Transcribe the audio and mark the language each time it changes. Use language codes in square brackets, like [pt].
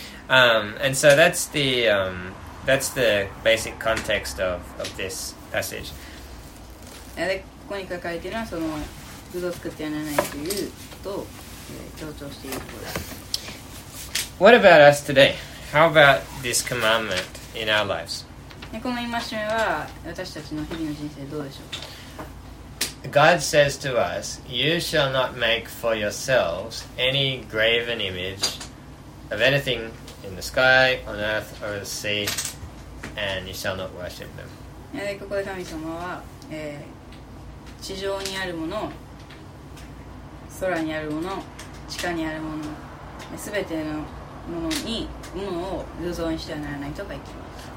[en] And so that's the basic context of this passage. [ja] で、ここに書かれているのはその偶像を作ってはならないということを、強調しているところです。 [en] What about us today? How about this commandment in our lives? [ja] で、この戒めは私たちの日々の人生どうでしょうか？ [en] God says to us, you shall not make for yourselves any graven image of anything in the sky, on earth, or the sea, and you shall not worship them. [ja] で、ここで神様は、地上にあるもの、空にあるもの、地下にあるもの、すべてのものに、ものを偶像にしてはならないとか言っています。